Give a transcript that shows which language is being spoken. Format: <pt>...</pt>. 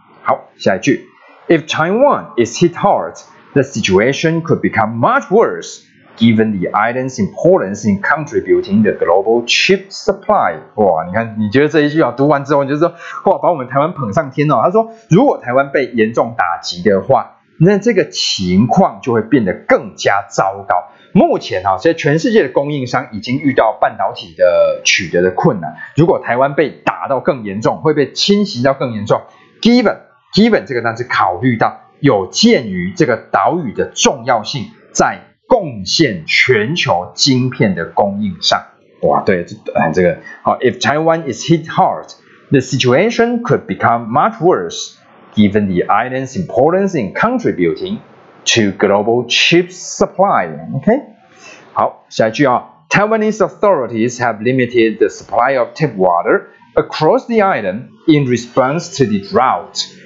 <zh>好，下一句，</zh> <en>If Taiwan is hit hard, the situation could become much worse given the island's importance in contributing the global chip supply.</en> <zh>哇，你看，你觉得这一句啊，读完之后你就说，哇，把我们台湾捧上天哦。他说，如果台湾被严重打击的话，那这个情况就会变得更加糟糕。目前啊，所以全世界的供应商已经遇到半导体的取得的困难。如果台湾被打到更严重，会被侵袭到更严重。 Given 这个单词考虑到有鉴于这个岛屿的重要性，在贡献全球晶片的供应上。哇，对，这个好。</zh> <en>If Taiwan is hit hard, the situation could become much worse. Given the island's importance in contributing to global chip supply.</en> <zh>Okay? 好，下一句啊。</zh> <en>Taiwanese authorities have limited the supply of tap water across the island in response to the drought.</en>